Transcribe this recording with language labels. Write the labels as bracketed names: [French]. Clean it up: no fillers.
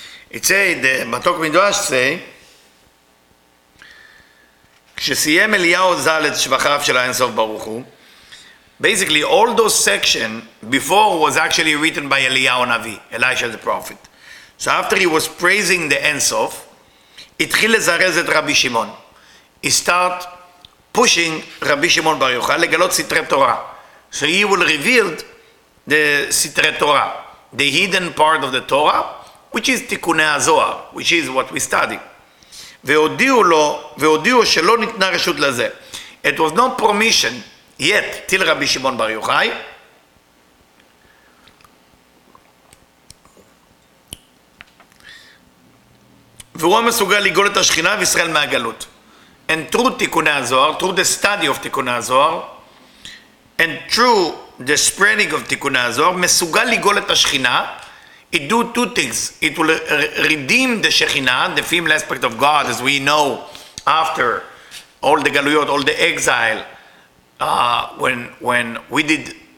[English] It says the Matok Mitzvah say, [Hebrew] כשסיים אליהו זל את שבחיו של האינסוף ברוך הוא, [English] basically all those section before was actually written by Eliyahu Navi, Elisha the prophet. So after he was praising the Ensof, [Hebrew] התחיל לזרז את רבי שמעון. [English] He start pushing [Hebrew] רבי שמעון בר יוחאי לגלות סתרי תורה. [English] So he will reveal the סתרי תורה, the hidden part of the Torah, which is תיקוני הזוהר, which is what we study. [Hebrew] והודיעו לו, והודיעו שלא ניתנה רשות לזה. [English] It was not permission yet till רבי שמעון בר יוחאי. [Hebrew] והוא המסוגל לגאול את השכינה וישראל מהגלות. [English] And through תיקוני הזוהר, through the study of תיקוני הזוהר, and through the spreading of תיקוני הזוהר, [Hebrew] מסוגל לגאול את השכינה, [English] it do two things. It will redeem the Shekhinah, the female aspect of God, as we know, after all the galuyot, all the exile, when we did